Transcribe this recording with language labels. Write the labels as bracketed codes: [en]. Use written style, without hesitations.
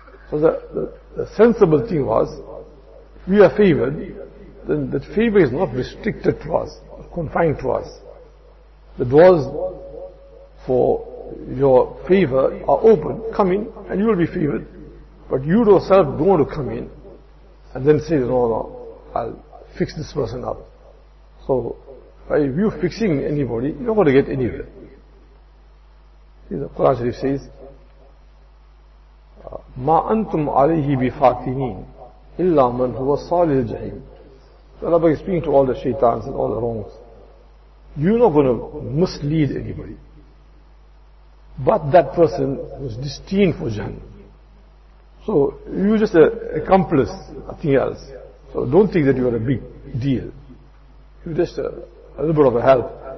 [en] So the sensible thing was, we are favored, then that favor is not restricted to us, confined to us. The doors for your favor are open, come in and you will be favored. But you yourself don't want to come in and then say, no, I'll fix this person up. So by you fixing anybody, you're not going to get anywhere. See, the Quran Sharif says, [ar] ما أنتم عليه بفاتنين إلا من هو صالح الجحيم. [en] The Rabbi is speaking to all the shaitans and all the wrongs. You're not going to mislead anybody. But that person was destined for Jahannam. So you're just an accomplice, nothing else. So don't think that you're a big deal. You're just a little bit of a help.